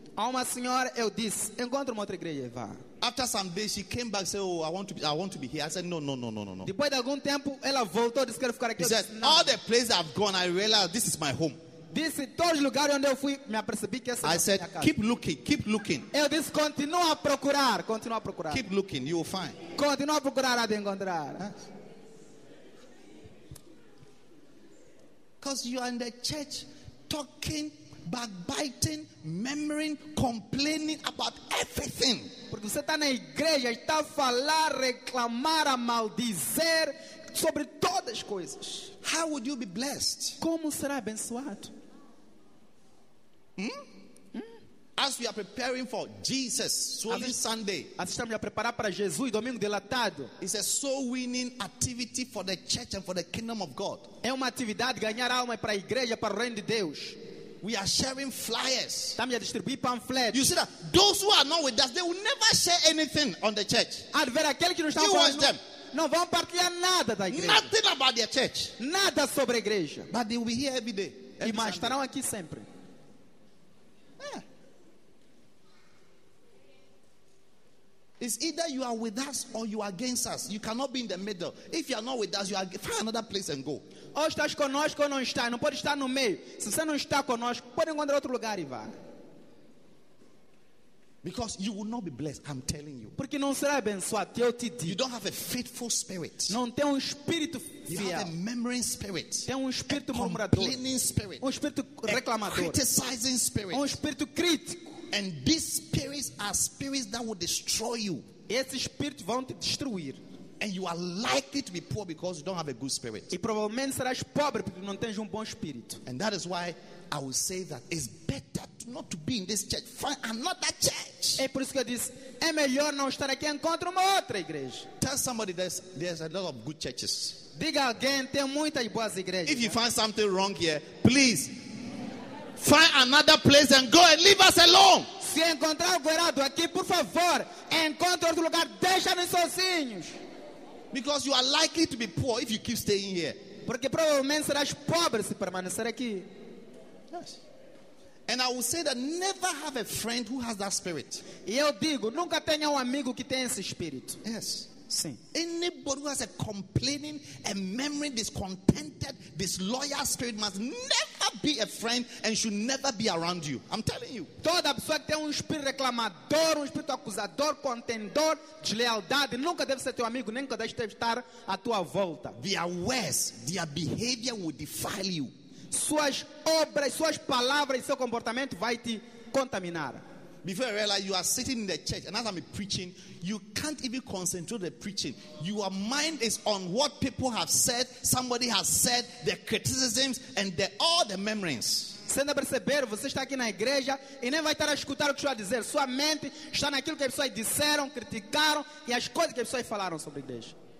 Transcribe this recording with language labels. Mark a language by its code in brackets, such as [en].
[pt] A uma senhora eu disse, encontre uma outra igreja, vá. [en] After some days she came back, said, oh, I want to be here. I said, no. [pt] Depois de algum tempo ela voltou, disse, quero ficar aqui. [en] She said, all the places I've gone, I realized this is my home. [pt] Disse, todos os lugares onde eu fui, me apercebi que essa é minha casa. [en] I said, keep looking. [pt] Eu disse, continua a procurar. [en] Keep looking, you will find. [pt] Continua a procurar, há de encontrar. [en] Because you are in the church talking, backbiting, murmuring, complaining about everything. [pt] Porque você está na igreja, está a falar, reclamar, a maldizer sobre todas as coisas. [en] How would you be blessed? [pt] Como será abençoado? [en] As we are preparing for Jesus, Holy Sunday. [pt] Nós estamos a preparar para Jesus, domingo dilatado. [en] It's a soul-winning activity for the church and for the kingdom of God. [pt] É uma atividade ganhar alma para a igreja, para o reino de Deus. [en] We are sharing flyers. [pt] Estamos a distribuir panfletos. [en] You see that those who are not with us, they will never share anything on the church. [pt] Há de ver aquele que não está com nós. Não vão partilhar nada da igreja. [en] Nothing about their church. [pt] Nada sobre a igreja. [en] But they will be here every day. [pt] E mais estarão aqui sempre. [en] It's either you are with us or you are against us. You cannot be in the middle. If you are not with us, you are find another place and go. [pt] Ou estás conosco ou não está. Não pode estar no meio. Se você não está conosco, pode encontrar outro lugar e vá. [en] Because you will not be blessed, I'm telling you. [pt] Porque não será abençoado, eu te digo. [en] You don't have a faithful spirit. [pt] Não tem espírito fiel. [en] You have a murmuring spirit. [pt] Tem espírito murmurador. [en] Complaining spirit. [pt] Espírito reclamador. [en] Criticizing spirit. [pt] Espírito crítico. [en] And these spirits are spirits that will destroy you. [pt] Esses espíritos vão te destruir. [en] And you are likely to be poor because you don't have a good spirit. [pt] E provavelmente serás pobre porque não tens bom espírito. [en] And that is why I will say that it's better not to be in this church. Find another church. [pt] É por isso que eu disse, é melhor não estar aqui, encontre uma outra igreja. [en] Tell somebody there's a lot of good churches. [pt] Diga alguém, tem muitas boas igrejas. [en] If you find something wrong here, please find another place and go and leave us alone. [pt] Se encontrar o guardado aqui, por favor, encontre outro lugar, deixa-nos sozinhos. [en] Because you are likely to be poor if you keep staying here. [pt] Porque provavelmente serás pobre se permanecer aqui. [en] Yes. And I will say that never have a friend who has that spirit. [pt] E eu digo, nunca tenha amigo que tenha esse espírito. [en] Yes. [pt] Sim. [en] Anybody who has a complaining, a murmuring, discontented, disloyal spirit must never be a friend and should never be around you. I'm telling you. [pt] Toda pessoa que tem espírito reclamador, espírito acusador, contendor, deslealdade, nunca deve ser teu amigo, nem deve estar à tua volta. [en] Their words, their behavior will defile you. [pt] Suas obras, suas palavras, seu comportamento vai te contaminar. [en] Before I realize you are sitting in the church and as I'm preaching, you can't even concentrate the preaching. Your mind is on what people have said, somebody has said, the criticisms and all the memories. [pt] Você não perceber, você está aqui na igreja e nem vai estar a escutar o que você vai dizer. Sua mente está naquilo que as pessoas disseram, criticaram e as coisas que as pessoas falaram sobre a igreja.